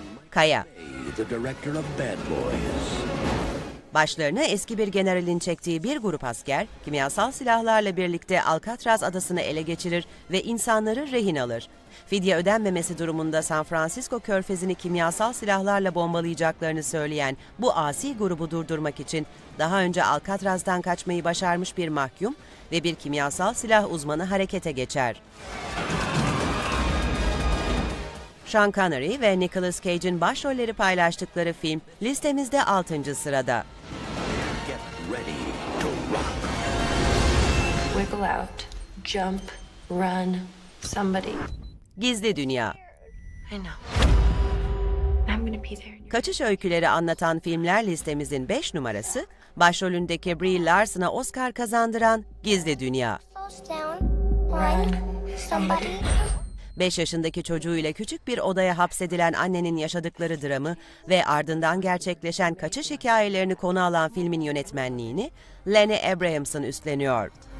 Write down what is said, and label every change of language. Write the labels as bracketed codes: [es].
[en] Kaya, the director of Bad Boys. [tr] Başlarına eski bir generalin çektiği bir grup asker, kimyasal silahlarla birlikte Alcatraz adasını ele geçirir ve insanları rehin alır. Fidye ödenmemesi durumunda San Francisco körfezini kimyasal silahlarla bombalayacaklarını söyleyen bu asi grubu durdurmak için daha önce Alcatraz'dan kaçmayı başarmış bir mahkum ve bir kimyasal silah uzmanı harekete geçer. Sean Connery ve Nicolas Cage'in başrolleri paylaştıkları film listemizde 6. sırada. [en] Get ready to rock. Wiggle out, jump, run, somebody. [tr] Gizli Dünya. Kaçış öyküleri anlatan filmler listemizin 5 numarası, başrolündeki Brie Larson'a Oscar kazandıran Gizli Dünya. [en] Run, somebody. [tr] 5 yaşındaki çocuğuyla küçük bir odaya hapsedilen annenin yaşadıkları dramı ve ardından gerçekleşen kaçış hikayelerini konu alan filmin yönetmenliğini Lenny Abrahamson üstleniyor.